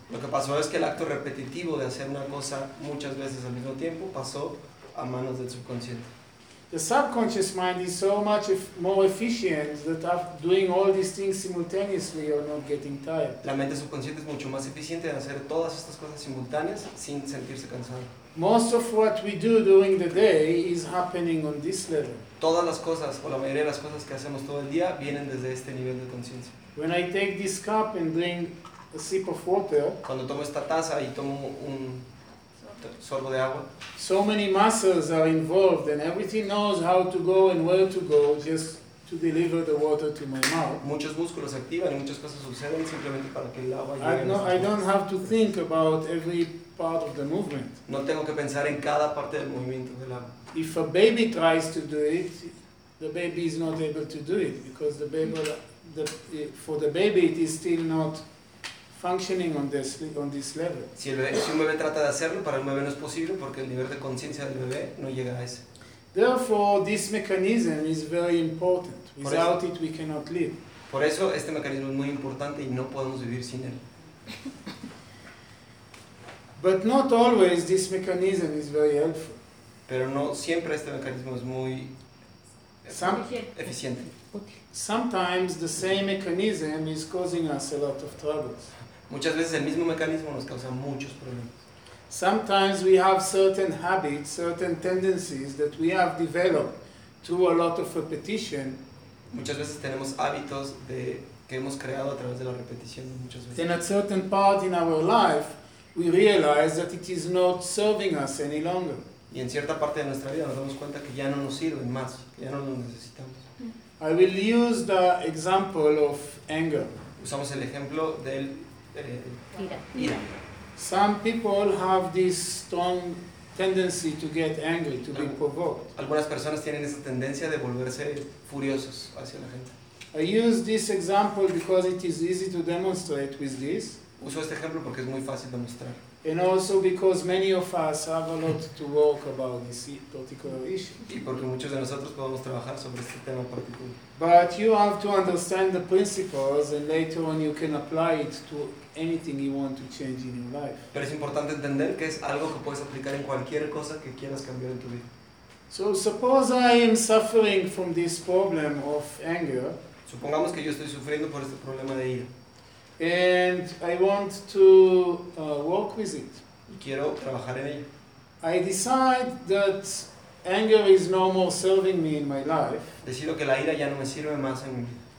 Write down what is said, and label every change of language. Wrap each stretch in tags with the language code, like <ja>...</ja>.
<es>Lo que pasó es que el acto repetitivo de hacer una cosa muchas veces al mismo tiempo pasó a manos del subconsciente.</es> <en>The subconscious mind is so much more efficient that after doing all these things simultaneously you're not getting tired.</en> <es>La mente subconsciente es mucho más eficiente en hacer todas estas cosas simultáneas sin sentirse cansado.</es> <en>Most of what we do during the day is happening on this level.</en> <es>Todas las cosas, o la mayoría de las cosas que hacemos todo el día, vienen desde este nivel de conciencia.</es> <en>When I take this cup and drink a sip of water,</en> <es>cuando tomo esta taza y tomo un sorbo de agua,</es> <en>so many muscles are involved and everything knows how to go and where to go just to deliver the water to my mouth.</en> <es>Muchos músculos se activan y muchas cosas suceden simplemente para que el agua llegue.</es> <en>I don't have to think about every part of the movement.</en> <es>No tengo que pensar en cada parte del movimiento del agua.</es> <en>If a baby tries to do it, the baby is not able to do it because the baby, for the baby, it is still not functioning on this level.</en> <es>Si un bebé trata de hacerlo, para el bebé no es posible porque el nivel de conciencia del bebé no llega a ese.</es> <en>Therefore, this mechanism is very important. Without it, we cannot live.</en> <es>Por eso este mecanismo es muy importante y no podemos vivir sin él.</es> <en>But not always this mechanism is very helpful.</en> <es>Pero no siempre este mecanismo es muy eficiente.</es> <en>Sometimes the same mechanism is causing us a lot of troubles.</en> <es>Muchas veces el mismo mecanismo nos causa muchos problemas.</es> <en>Sometimes we have certain habits, certain tendencies that we have developed through a lot of repetition.</en> <es>Muchas veces tenemos hábitos de que hemos creado a través de la repetición muchas veces.</es> <en>Then at certain part in our life, we realize that it is not serving us any longer.</en> <es>Y en cierta parte de nuestra vida nos damos cuenta que ya no nos sirven más, que ya no lo necesitamos.</es> <en>I will use the example of anger.</en> <es>Usamos el ejemplo del ira.</es> <en>Some people have this strong tendency to get angry, to be provoked.</en> <es>Algunas personas tienen esa tendencia de volverse furiosos hacia la gente.</es> <en>I use this example because it is easy to demonstrate with this.</en> <es>Uso este ejemplo porque es muy fácil demostrar.</es> <en>And also because many of us have a lot to work about this particular issue.</en> <es>Y porque muchos de nosotros podemos trabajar sobre este tema particular.</es> <en>But you have to understand the principles, and later on you can apply it to anything you want to change in your life.</en> <es>Pero es importante entender que es algo que puedes aplicar en cualquier cosa que quieras cambiar en tu vida.</es> <en>So suppose I am suffering from this problem of anger.</en> <es>Supongamos que yo estoy sufriendo por este problema de ira.</es> <en>And I want to work with it.</en> <es>Quiero trabajar en ello.</es> <en>I decide that anger is no more serving me in my life.</en> <es>Decido que la ira ya no me sirve más en mi vida.</es>